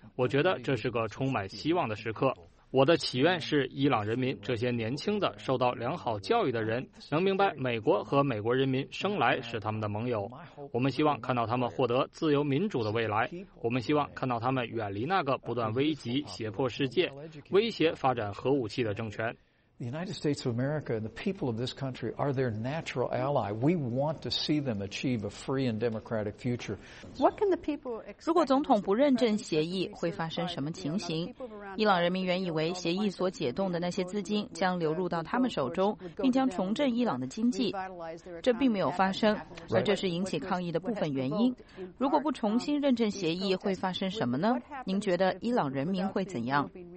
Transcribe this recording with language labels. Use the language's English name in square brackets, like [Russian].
[Chinese] 我觉得这是个充满希望的时刻。我的祈愿是伊朗人民这些年轻的受到良好教育的人能明白美国和美国人民生来是他们的盟友。我们希望看到他们获得自由民主的未来。我们希望看到他们远离那个不断危及胁迫世界、威胁发展核武器的政权。 [English] The United States of America and the people of this country are their natural ally. We want to see them achieve a free and democratic future. What can the people expect? [Chinese] 如果总统不认证协议，会发生什么情形？伊朗人民原以为协议所解冻的那些资金将流入到他们手中，并将重振伊朗的经济。这并没有发生，而这是引起抗议的部分原因。如果不重新认证协议，会发生什么呢？您觉得伊朗人民会怎样？